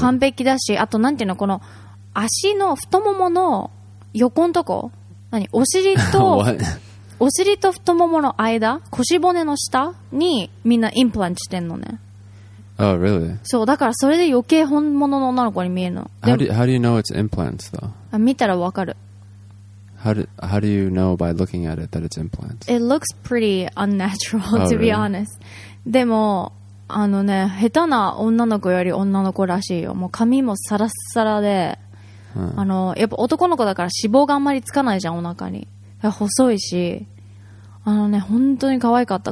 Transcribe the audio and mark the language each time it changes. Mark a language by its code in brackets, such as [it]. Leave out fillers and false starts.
[ja] もう完璧だし、あとなんていうの、この足の太ももの横んとこ、何、お尻とお尻と太ももの間、腰骨の下にみんなインプラントしてんのね。 [en] Oh, really? [ja] そう、だからそれで余計本物の女の子に見えるの。 [en] How do you know it's implants though? [ja] 見たらわかる。 [en] How do you know by looking at it that it's implants? It looks pretty unnatural, oh, to be really? honest. [ja] でも、あのね、下手な女の子より女の子らしいよ。もう髪もサラサラで、やっぱ男の子だから脂肪があんまりつかないじゃん、お腹に。細いし、あのね、本当に可愛かった。